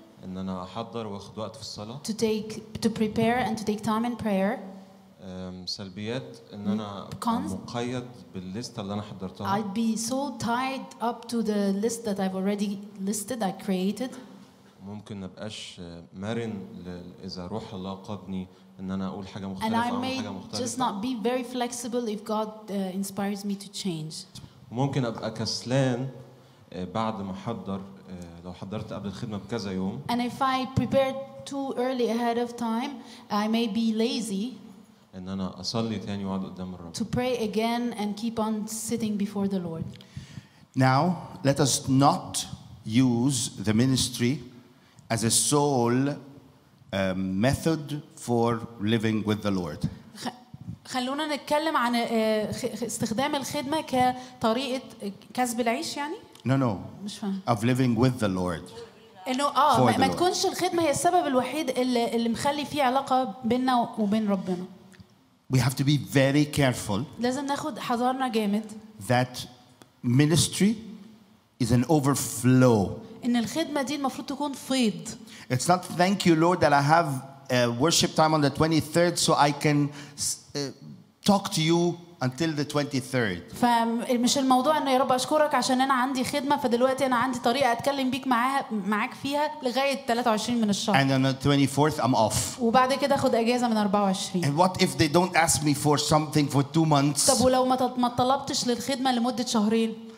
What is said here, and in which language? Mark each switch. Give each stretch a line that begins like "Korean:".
Arabic: ان انا احضر واخد وقت في الصلاه
English: to take to prepare and to take time in prayer
Arabic: سلبيات ان انا مقيد بالليست اللي انا حضرتها
English: I'd be so tied up to the list that I've already listed I created
Arabic: ممكن ابقاش مرن اذا روح الله قادني ان انا اقول حاجه مختلفه
English: and I may just not be very flexible if God inspires me to change
Arabic: ممكن ابقى كسلان بعد ما احضر لو حضرت قبل الخدمه بكذا يوم
English: and if I prepared too early ahead of time I may be lazy
Arabic: ان انا اصلي تاني واقعد قدام الرب
English: to pray again and keep on sitting before the Lord now let us not use the ministry as a sole method for living with the Lord
Arabic: خلونا نتكلم عن استخدام الخدمه كطريقه كسب العيش يعني
English: No. Of living with the Lord.
Arabic: إنه ما تكونش الخدمة هي السبب الوحيد اللي مخلي فيه علاقة بيننا وبين ربنا.
English: We have to be very careful.
Arabic: لازم ناخد حذرنا جامد.
English: That ministry is an overflow.
Arabic: إن الخدمة دي المفروض تكون فيض.
English: It's not thank you Lord that I have worship time on the 23rd so I can talk to you. Until the 23rd.
Arabic: فمش الموضوع إنه يا رب أشكرك عشان أنا عندي خدمة فدلوقتي أنا عندي طريقة أتكلم بيك معاك فيها لغاية 23 من الشهر.
English: And on the 24th I'm off.
Arabic: وبعد كده أخد أجازة من 24.
English: And what if they don't ask me for something for 2 months?
Arabic: طب ولو ما طلبتش للخدمة لمدة شهرين.